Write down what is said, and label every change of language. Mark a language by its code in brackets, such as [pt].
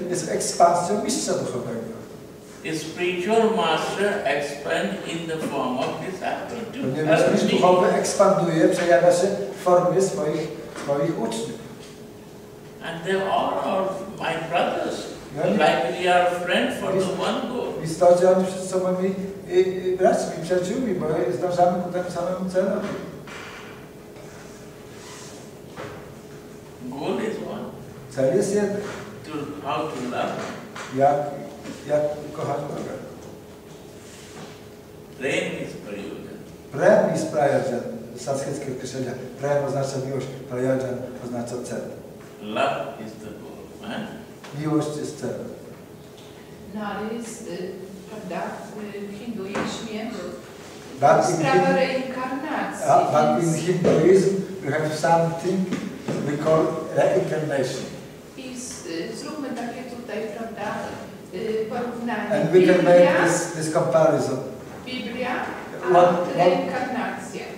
[pl] Expansion mistrza duchowego. [en] His spiritual master expand in the form of his attitude. [pl] Ponieważ mistrz duchowy ekspanduje, przejawia się w formie swoich uczniów. [en] And they are all my brothers. Like we are friends for the one goal. [pl] W istocie oni wszyscy są moimi braćmi, przyjaciółmi, bo zdążamy ku temu samemu celowi. [en] Goal is one. [pl] Cel jest jeden. [en] To how to love. [pl] Jak kochać Boga. [en] Prem is prayuja. Prem is prayuja. [pl] Sanskryckie określenie. Prem oznacza miłość, prayuja oznacza cel. [en] Love is the goal. Eh? [pl] Miłość jest cel. No, ale jest, prawda, w hinduizmie to sprawa reinkarnacji. [en] But in Hinduism we have something we call reincarnation. [pl] Zróbmy takie tutaj, prawda, porównanie. [en] And we can make this comparison. [pl] Biblia and reinkarnacja.